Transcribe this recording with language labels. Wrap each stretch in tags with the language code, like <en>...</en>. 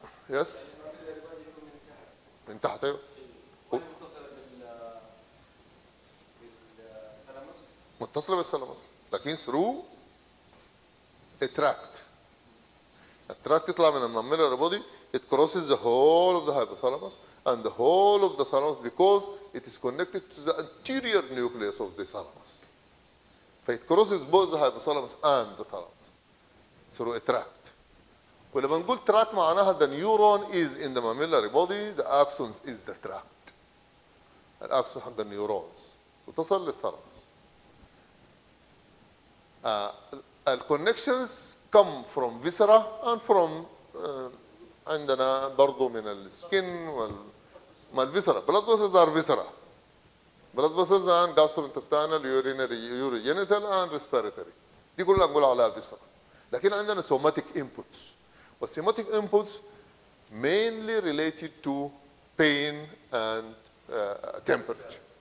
<en>Yes.</en> <ar>من تحت. متصلة بالثلمس. لكن</ar> <en>through a tract. A tract</en> <ar>يطلع من الماميلاري بودي.</ar> <en>It crosses the whole of the hypothalamus and the whole of the thalamus because it is connected to the anterior nucleus of the thalamus. فإت crosses both the hypothalamus and the thalamus through a tract.</en> <ar>ولما نقول</ar> <en>tract</en> <ar>معناها</ar> <en>the neuron is in the mammillary body, the axon is the tract.</en> <ar>الأكسون حق النيورونز وتصل للثلمس.</ar> <en>الconnections come from viscera and from</en> <ar>عندنا برضو من السكن وما الفيسرا.</ar> <en>blood vessels are viscera. blood vessels and gastrointestinal, urinary, urogenital and respiratory.</en> <ar>دي كلها نقول عليها فيسرا. لكن عندنا</ar> <en>somatic inputs. والsomatic inputs mainly related to pain and temperature.</en>